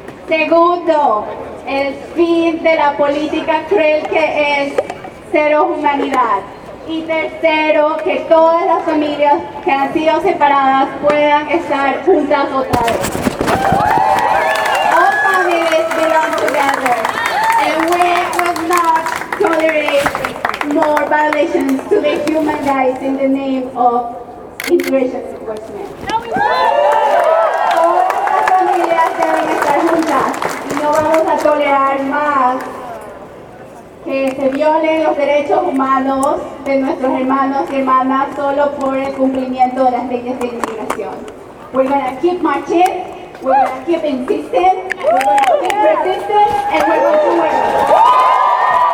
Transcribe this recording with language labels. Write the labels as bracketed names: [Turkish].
[Spanish] Segundo, el fin de la política cruel que es cero humanidad. Y tercero, que todas las familias que han sido separadas puedan estar juntas otra vez. [English] All families belong together. And we will not tolerate more violations to the human rights in the name of immigration enforcement. [Spanish] Todas las familias deben estar juntas y no vamos a tolerar más que se violen los derechos humanos de nuestros hermanos y hermanas solo por el cumplimiento de las leyes de inmigración. [English] We're gonna keep marching, we're gonna keep insisting, we're gonna keep resisting, and we're gonna keep working.